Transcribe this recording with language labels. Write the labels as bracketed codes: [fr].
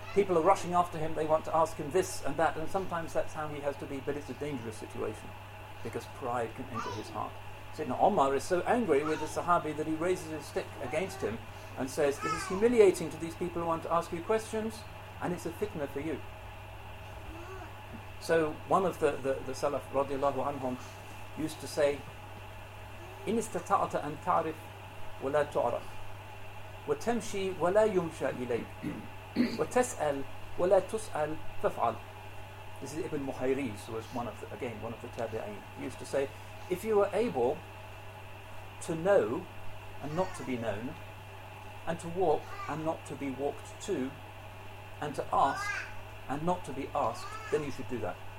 [en] People are rushing after him. They want to ask him this and that. And sometimes that's how he has to be. But it's a dangerous situation because pride can enter his heart. Sayyidina Umar is so angry with the Sahabi that he raises his stick against him and says, this is humiliating to these people who want to ask you questions, and it's a fitna for you. So one of the Salaf, radiallahu anhum, used to say, [ar] إِنْ إِسْتَطَعْتَ أَنْ تَعْرِفْ وَلَا تُعْرَفْ وَتَمْشِي وَلَا يُمْشَى إِلَيْكَ وَتَسْأَلْ وَلَا تُسْأَلْ فَفْعَلْ. [en] This is Ibn Muhayriz, who was one of the Tabi'in. He used to say, if you were able to know and not to be known, and to walk and not to be walked to, and to ask and not to be asked, then you should do that.